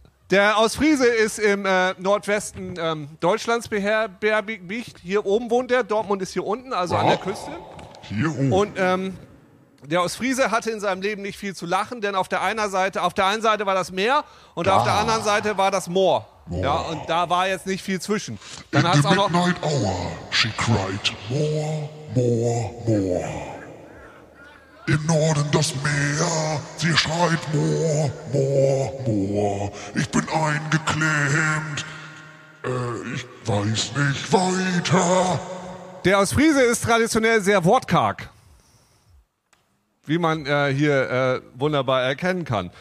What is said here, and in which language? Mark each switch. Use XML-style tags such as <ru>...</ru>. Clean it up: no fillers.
<de>Der Ostfriese ist im Nordwesten Deutschlands beherbergt. Hier oben wohnt er. Dortmund ist hier unten, also an der Küste. Hier oben. Und der Ostfriese hatte in seinem Leben nicht viel zu lachen, denn auf der einen Seite war das Meer und auf der anderen Seite war das Moor. Oh. Ja, und da war jetzt nicht viel zwischen. Dann</de> <en>in the</en> <de>auch noch</de> <en>midnight hour, she cried, more, more, more.</en> <de>Im Norden das Meer, sie schreit,</de> <en>more, more, more.</en> <de>Ich bin eingeklemmt, ich weiß nicht weiter. Der Ostfriese ist traditionell sehr wortkarg. Wie man hier wunderbar erkennen kann.</de>